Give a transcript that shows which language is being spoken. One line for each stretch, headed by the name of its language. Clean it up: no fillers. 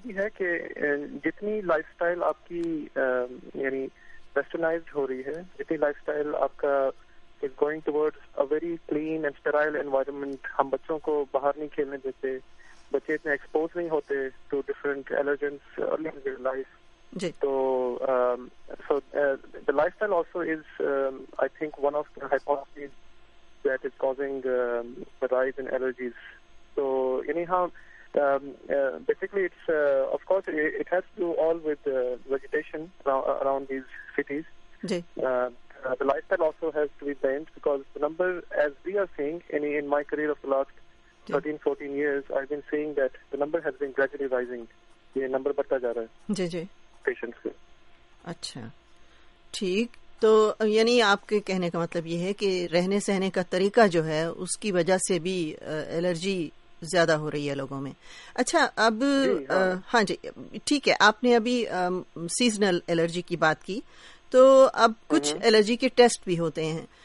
Urdu: بھی ہے کہ جتنی لائف سٹائل آپ کی یعنی ویسٹرنائزڈ ہو رہی ہے, جتنی لائف سٹائل آپ کا
English: is going towards a very clean and sterile environment,
Urdu: ہم بچوں کو باہر نہیں کھیلنے دیتے, بچے اتنے ایکسپوز نہیں ہوتے
English: To different allergens early in their life. So the lifestyle also is I think one of the hypotheses that is causing the rise in allergies. So anyhow basically it's of course it has to do all with the vegetation around these cities. The lifestyle also has to be banned because the number, as we are seeing in my career of the last 13-14 years, I've been seeing that the number has been gradually rising.
Urdu: Ye number badhta ja raha hai ji ji
English: Patients.
Urdu: اچھا ٹھیک, تو یعنی آپ کے کہنے کا مطلب یہ ہے کہ رہنے سہنے کا طریقہ جو ہے اس کی وجہ سے بھی الرجی زیادہ ہو رہی ہے لوگوں میں. اچھا اب ہاں جی ٹھیک ہے, آپ نے ابھی سیزنل الرجی کی بات کی, تو اب کچھ الرجی کے ٹیسٹ بھی ہوتے ہیں.